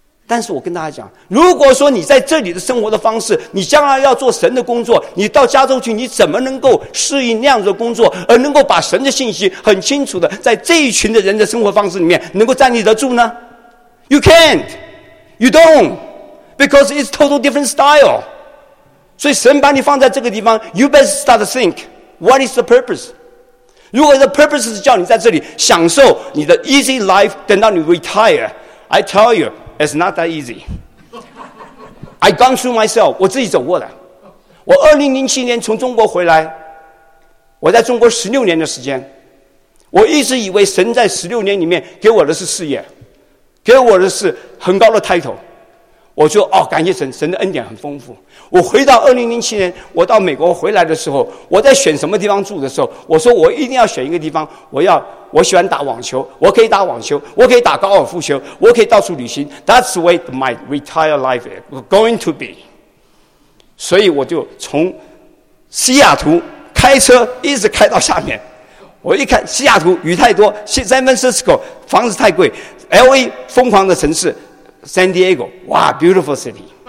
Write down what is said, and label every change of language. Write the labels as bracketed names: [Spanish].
[Chinese] 但是我跟大家讲，如果说你在这里的生活的方式，你将来要做神的工作，你到加州去，你怎么能够适应那样子的工作，而能够把神的信息很清楚的在这一群的人的生活方式里面能够站立得住呢？ [English] You can't, you don't, because it's totally different style. [Chinese] 所以神把你放在这个地方， [English] you better start to think, what is the purpose? [Chinese] 如果 the purpose 是叫你在这里享受你的 easy life, 等到你 retire, [English] I tell you, it's not that easy. I gone through myself, [Chinese] 我自己走过的。我2007年从中国回来，我在中国16年的时间，我一直以为神在16年里面给我的是事业，给我的是很高的 title。我就哦，感谢神，神的恩典很丰富。我回到2007年，我到美国回来的时候，我在选什么地方住的时候，我说我一定要选一个地方，我喜欢打网球，我可以打网球，我可以打高尔夫球，我可以到处旅行。 [English] That's the way my retired life is going to be. [Chinese] 所以我就从西雅图开车一直开到下面。我一看西雅图雨太多 ，San Francisco 房子太贵 ，LA 疯狂的城市。 [English] San Diego, wow, beautiful city.